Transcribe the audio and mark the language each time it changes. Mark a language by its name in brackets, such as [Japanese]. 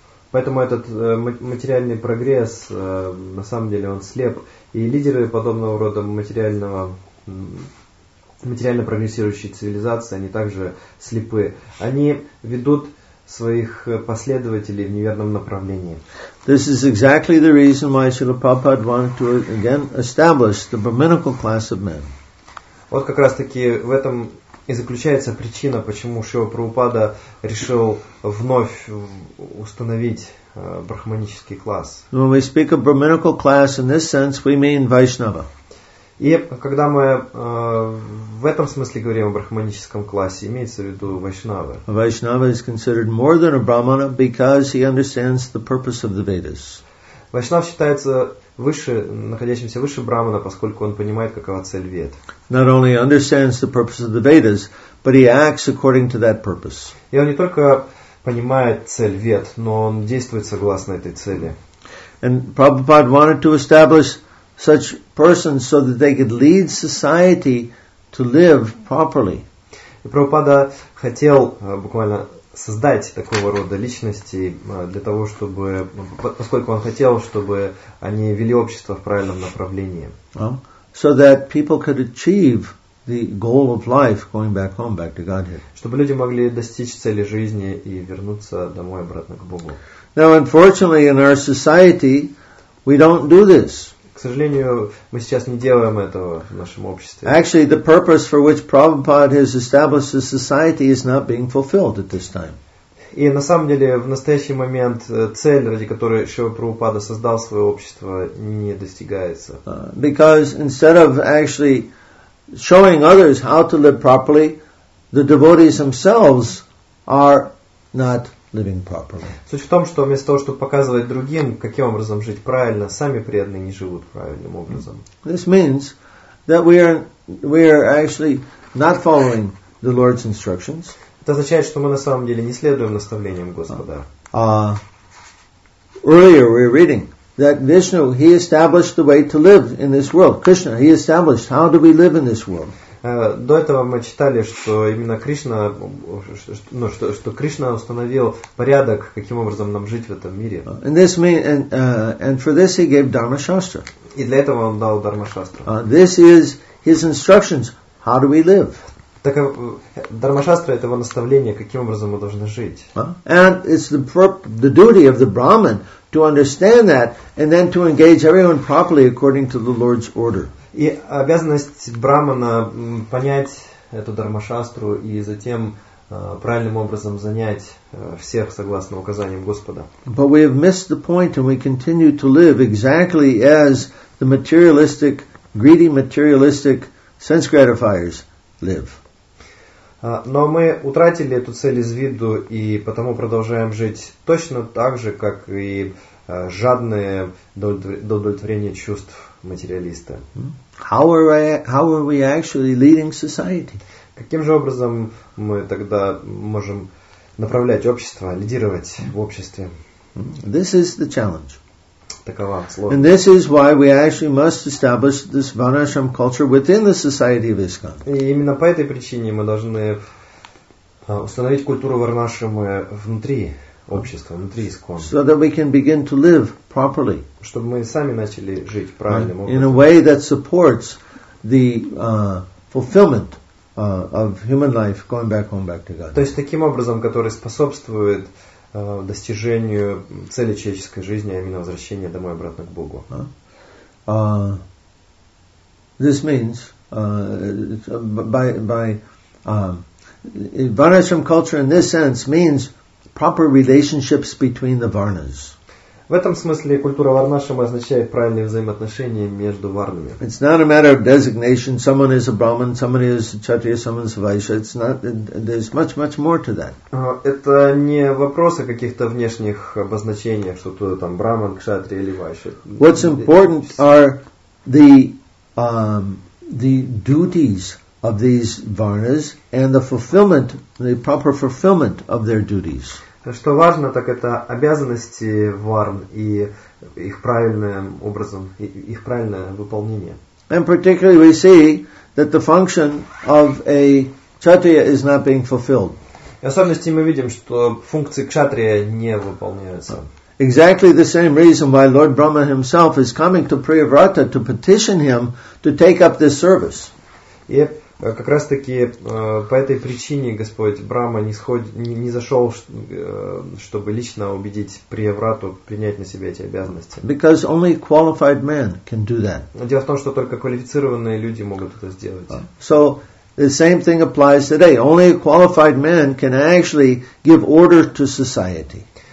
[Russian] Поэтому этот материальный прогресс, на самом деле, он слеп. И лидеры подобного рода материально прогрессирующей цивилизации, они также слепы. Они ведут своих последователей в неверном направлении. [English] This is exactly the reason why Srila Prabhupada wanted to again establish the brahminical class of men. [Russian] Вот как раз таки в этом и заключается причина, почему Шрила Прабхупада решил вновь установить брахманический класс. [English] When we speak of brahminical class in this sense, we mean Vaishnava. [Russian] И когда мы в этом смысле говорим о брахманическом классе, имеется в виду Вайшнавы. [English] Vaishnava is considered more than a brahmana because he understands the purpose of the Vedas. [Russian] Вайшнав считается выше, находящимся выше брахмана, поскольку он понимает, какова цель Вед. [English] Not only understands the purpose of the Vedas, but he acts according to that purpose. [Russian] И он не только понимает цель Вед, но он действует согласно этой цели. [English] And Prabhupada wanted to establish such persons so that they could lead society to live properly. [Russian] И Прабхупада хотел буквально создать такого рода личности для того, чтобы, поскольку он хотел, чтобы они вели общество в правильном направлении. [English] So that people could achieve the goal of life, going back home, back to Godhead. [Russian] Чтобы люди могли достичь цели жизни и вернуться домой обратно к Богу. [English] Now, unfortunately, in our society, we don't do this. [Russian] К сожалению, мы сейчас не делаем этого в нашем обществе. [English] Actually, the purpose for which Prabhupada has established the society is not being fulfilled at this time. [Russian] И на самом деле, в настоящий момент цель, ради которой Шрила Прабхупада создал свое общество, не достигается. [English] Because instead of actually showing others how to live properly, the devotees themselves are not living properly. [Russian] Суть в том, что вместо того, чтобы показывать другим, каким образом жить правильно, сами преданные не живут правильным образом. [English] This means that we are actually not following the Lord's instructions. [Russian] Это означает, что мы на самом деле не следуем наставлениям Господа. [English] Earlier we were reading that Vishnu, he established the way to live in this world. Krishna, he established how do we live in this world. [Russian] До этого мы читали, что именно Кришна, что Кришна установил порядок, каким образом нам жить в этом мире. [English] And for this he gave Dharma Shastra. [Russian] И для этого он дал Дарма Шастру. [English] This is his instructions, how do we live. [Russian] Так Дармашастра это его наставление, каким образом мы должны жить. [English] And it's the duty of the Brahman to understand that and then to engage everyone properly according to the Lord's order. [Russian] И обязанность Брахмана понять эту Дармашастру и затем правильным образом занять всех согласно указаниям Господа. [English] But we have missed the point and we continue to live exactly as the materialistic, greedy materialistic sense gratifiers live. [Russian] Но мы утратили эту цель из виду и потому продолжаем жить точно так же, как и жадные до удовлетворения чувств материалисты. [English] How are we actually leading society? [Russian] Каким же образом мы тогда можем направлять общество, лидировать в обществе? [English] This is the challenge. [Russian] Такова сложность. [English] And this is why we actually must establish this Vanashram culture within the society of ISKCON. [Russian] И именно по этой причине мы должны установить культуру Варнашрама внутри общества, внутри ISKCON. [English] So that we can begin to live properly. [Russian] Чтобы мы сами начали жить правильным образом. [English] In a way that supports the fulfillment of human life going back home, back to God. [Russian] То есть таким образом, который способствует достижению цели человеческой жизни, а именно возвращения домой обратно к Богу. [English] This means Varnashram culture in this sense means proper relationships between the Varnas. [Russian] В этом смысле культура Варнашрама означает правильные взаимоотношения между варнами. [English] It's not a matter of designation. Someone is a Brahmin, someone is a Kshatriya, someone is a Vaishya. It's not. There's much, much more to that. [Russian] Это не вопрос о каких-то внешних обозначениях, что кто-то там Брахман, Кшатрия или Вайшья. [English] What's important are the duties of these Varnas and the fulfillment, the proper fulfillment of their duties. [Russian] Что важно, так это обязанности варн и их правильным образом, их правильное выполнение. [English] And particularly we see that the function of a kshatriya is not being fulfilled. [Russian] В особенности мы видим, что функции кшатрия не выполняются. [English] Exactly the same reason why Lord Brahma himself is coming to Priyavrata to petition him to take up this service. [Russian] Как раз таки по этой причине Господь Брахма не зашел, чтобы лично убедить Приеврату принять на себя эти обязанности. [English] Because only qualified man can do that. [Russian] Дело в том, что только квалифицированные люди могут это сделать. [English] So the same thing applies today. Only a qualified man can actually give order to society.